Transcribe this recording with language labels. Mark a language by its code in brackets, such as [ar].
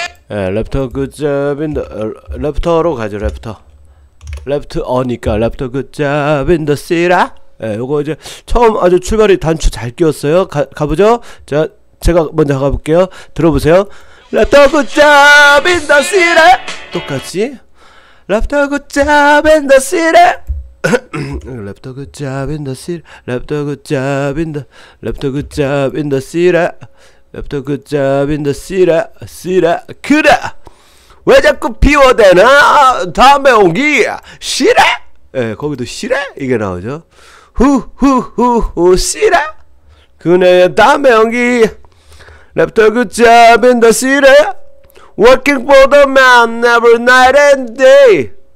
[en] 예, left a good job in the, left로 가죠, left. left a니까 left a good job in the city. [ko] 예, 요거 이제 처음 아주 출발이 단추 잘 끼웠어요. 가보죠. 자, 제가 먼저 가볼게요. 들어보세요. [en] Left a good job in the city. 똑같이 Left a good job in the city. Left a good job in the city. Left a good job in the, Left a good job in the city. Left a good job in the city. [ko] City. 그래, 왜 자꾸 비워대나? 다음에 오기 싫어. 예, 거기도 싫어 이게 나오죠. 후후후후 싫어. 그네 다음에 오기. [en] Left a good job in the city. Working for the man every night and day.